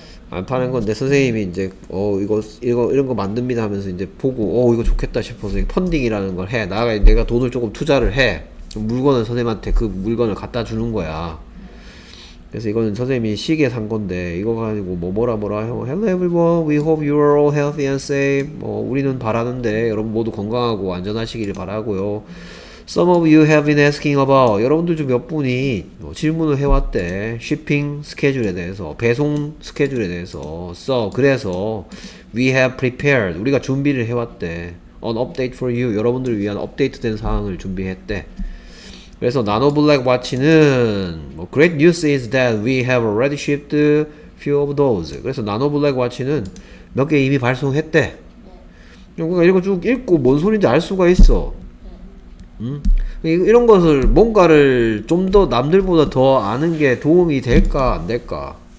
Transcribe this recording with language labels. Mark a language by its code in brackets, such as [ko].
[ko] 안 파는 건데 선생님이 이제 이거 이런 거 만듭니다 하면서 이제 보고 이거 좋겠다 싶어서 펀딩이라는 걸 해. 내가 돈을 조금 투자를 해. 물건을 선생님한테 그 물건을 갖다 주는 거야. 그래서 이거는 선생님이 시계 산 건데 이거 가지고 뭐라 해. [en] Hello everyone, we hope you are all healthy and safe. [ko] 뭐 우리는 바라는데 여러분 모두 건강하고 안전하시기를 바라고요. [en] Some of you have been asking about, [ko] 여러분들 중 몇 분이 뭐 질문을 해왔대. Shipping 스케줄에 대해서, 배송 스케줄에 대해서. So, 그래서 [en] we have prepared, [ko] 우리가 준비를 해왔대. [en] An update for you, [ko] 여러분들을 위한 업데이트된 사항을 준비했대. 그래서 나노 블랙 와치는 뭐, [en] Great news is that we have already shipped few of those. [ko] 그래서 나노 블랙 와치는 몇 개 이미 발송했대. 그러니까 이거 쭉 읽고 뭔 소린지 알 수가 있어. 이런 것을 뭔가를 좀 더 남들보다 더 아는 게 도움이 될까 안 될까?